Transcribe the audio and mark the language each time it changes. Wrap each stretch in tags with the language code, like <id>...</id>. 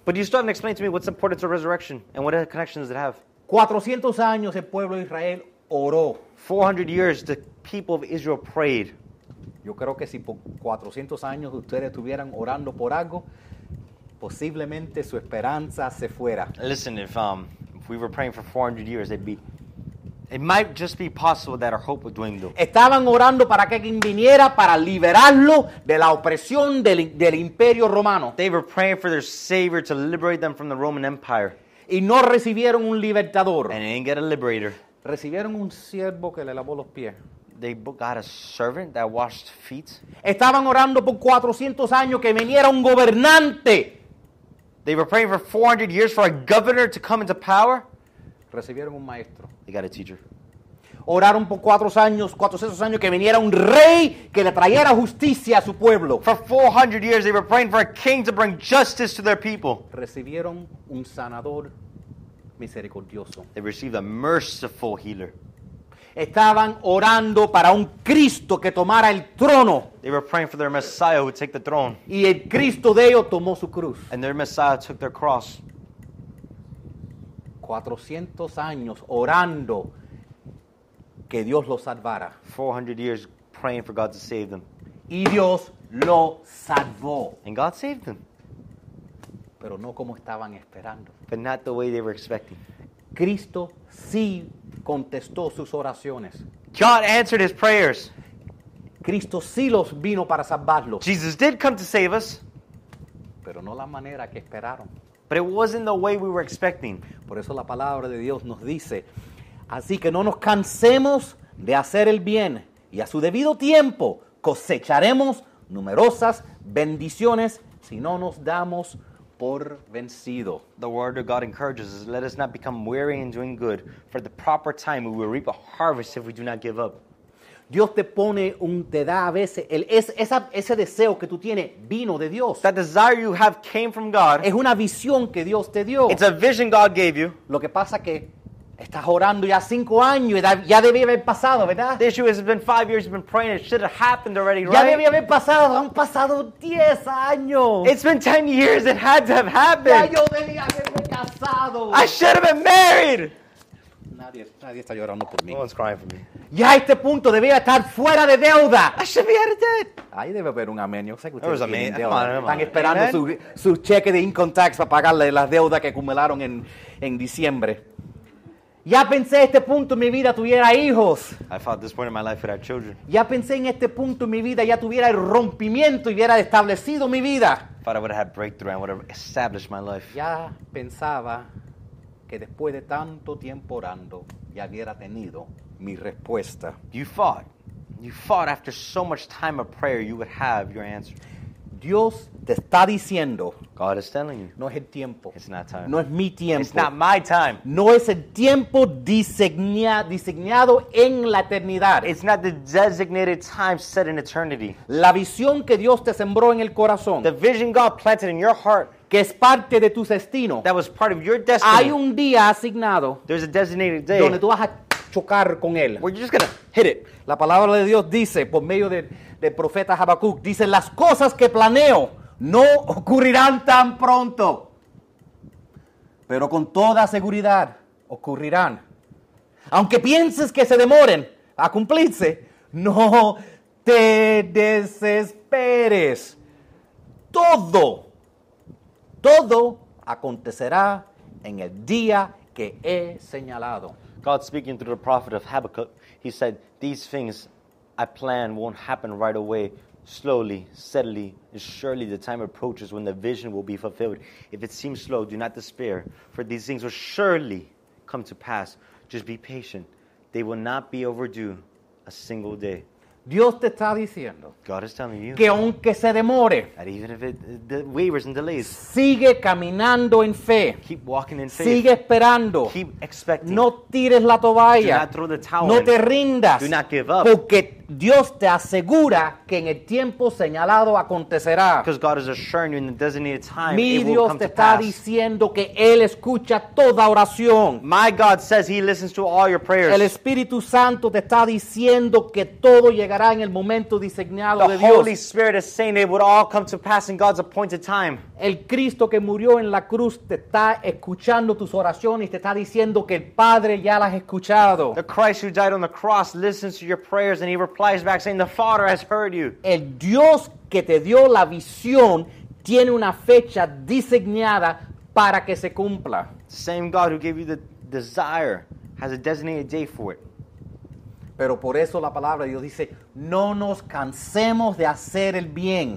<en>But you still haven't explained to me what's important to resurrection and what connections it have.</en> <es>400 años el pueblo de Israel oró.</es> <en>400 years the people of Israel prayed.</en> <es>Yo creo que si por 400 años ustedes estuvieran orando por algo, posiblemente su esperanza se fuera.</es> <en>Listen, if we were praying for 400 years, it might just be possible that our hope would dwindle.</en> <es>Estaban orando para que alguien viniera para liberarlo de la opresión del Imperio Romano.</es> <en>They were praying for their Savior to liberate them from the Roman Empire.</en> <es>Y no recibieron un libertador.</es> <en>And they didn't get a liberator.</en> <es>Recibieron un siervo que le lavó los pies.</es> <en>They got a servant that washed feet.</en> <es>Estaban orando por 400 años que viniera un gobernante.</es> <en>They were praying for 400 years for a governor to come into power.</en> <es>Recibieron un maestro.</es> <en>They got a teacher.</en> <es>Oraron por 400 años que viniera un rey que le trajera justicia a su pueblo.</es> <en>For 400 years they were praying for a king to bring justice to their people.</en> <es>Recibieron un sanador misericordioso.</es> <en>They received a merciful healer.</en> <es>Estaban orando para un Cristo que tomara el trono.</es> <en>They were praying for their Messiah who would take the throne.</en> <es>Y el Cristo de ellos tomó su cruz.</es> <en>And their Messiah took their cross.</en> <es>400 años orando que Dios los salvara.</es> <en>400 years praying for God to save them.</en> <es>Y Dios lo salvó.</es> <en>And God saved them.</en> <es>Pero no como estaban esperando.</es> <en>But not the way they were expecting.</en> <es>Cristo sí contestó sus oraciones.</es> <en>God answered his prayers.</en> <es>Cristo sí los vino para salvarlos.</es> <en>Jesus did come to save us.</en> <es>Pero no la manera que esperaron.</es> <en>But it wasn't the way we were expecting.</en> <es>Por eso la palabra de Dios nos dice, así que no nos cansemos de hacer el bien, y a su debido tiempo cosecharemos numerosas bendiciones si no nos damos por vencido.</es> <en>The word of God encourages us, let us not become weary in doing good, for the proper time we will reap a harvest if we do not give up.</en> <es>Dios te pone un te da a veces el es esa ese deseo que tú tienes vino de Dios.</es> <en>That desire you have came from God.</en> <es>Es una visión que Dios te dio.</es> <en>It's a vision God gave you.</en> <es>Lo que pasa que estás orando ya 5 años y ya debía haber pasado, ¿verdad?</es> <en>The issue is it's been 5 years you've been praying, it should have happened already, right?</en> <es>Ya debía haber pasado, han pasado 10 años.</es> <en>It's been 10 years, it had to have happened.</en> <es>Ya yo debía haberme casado.</es> <en>I should have been married.</en> <es>Nadie está llorando por mí.</es> <en>No one's crying for me.</en> <es>Ya a este punto debía estar fuera de deuda.</es> <en>I should be out of debt.</en> <es>Ahí debe haber un amén. Yo sé que ustedes tienen deuda. Están esperando su cheque de</es> <en>income tax</en> <es>para pagarle las deudas que acumularon en diciembre. Ya pensé este punto en mi vida tuviera hijos.</es> <en>I thought this point in my life would have children.</en> <es>Ya pensé en este punto en mi vida ya tuviera el rompimiento y hubiera establecido mi vida.</es> <en>I thought I would have had breakthrough and would have established my life.</en> <es>Ya pensaba que después de tanto tiempo orando ya hubiera tenido mi respuesta.</es> <en>You thought after so much time of prayer you would have your answer.</en> <es>Dios te está diciendo.</es> <en>God is telling you.</en> <es>No es el tiempo.</es> <en>It's not time.</en> <es>No es mi tiempo.</es> <en>It's not my time.</en> <es>No es el tiempo diseñado en la eternidad.</es> <en>It's not the designated time set in eternity.</en> <es>La visión que Dios te sembró en el corazón.</es> <en>The vision God planted in your heart.</en> <es>Que es parte de tu destino.</es> <en>That was part of your destiny.</en> <es>Hay un día asignado.</es> <en>There's a designated day.</en> <es>Donde tú vas a chocar con él.</es> <en>Where you're just going to hit it.</en> <es>La palabra de Dios dice, por medio de profeta Habacuc, dice, las cosas que planeo no ocurrirán tan pronto, pero con toda seguridad ocurrirán. Aunque pienses que se demoren a cumplirse, no te desesperes. Todo acontecerá en el día que he señalado.</es> <en>God speaking through the prophet of Habakkuk, he said, these things I plan won't happen right away. Slowly, steadily, and surely the time approaches when the vision will be fulfilled. If it seems slow, do not despair, for these things will surely come to pass. Just be patient. They will not be overdue a single day.</en> <es>Dios te está diciendo,</es> <en>God is telling you,</en> <es>que aunque se demore,</es> <en>that even if it wavers and delays,</en> <es>sigue caminando en fe,</es> <en>keep walking in faith,</en> <es>sigue esperando,</es> <en>keep expecting,</en> <es>no tires la toalla,</es> <en>do not throw the towel,</en> <es>no</es> <en>in,</en> <es>te rindas,</es> <en>do not give up,</en> <es>porque Dios te asegura que en el tiempo señalado acontecerá,</es> <en>because God is assuring you in the designated time,</en> <es>mi</es> <en>it will</en> <es>Dios</es> <en>come</en> <es>te</es> <en>to</en> <es>está</es> <en>pass,</en> <es>diciendo que Él escucha toda oración,</es> <en>my God says He listens to all your prayers,</en> <es>el Espíritu Santo te está diciendo que todo llegará en el momento diseñado</es> <en>the Holy</en> <es>Dios.</es> <en>The Holy Spirit is saying it would all come to pass in God's appointed time.</en> <es>El Cristo que murió en la cruz te está escuchando tus oraciones, te está diciendo que el Padre ya las ha escuchado.</es> <en>The Christ who died on the cross listens to your prayers and He replies back saying the Father has heard you.</en> <es>El Dios que te dio la visión tiene una fecha diseñada para que se cumpla.</es> <en>The same God who gave you the desire has a designated day for it.</en> <es>Pero por eso la palabra de Dios dice, no nos cansemos de hacer el bien.</es>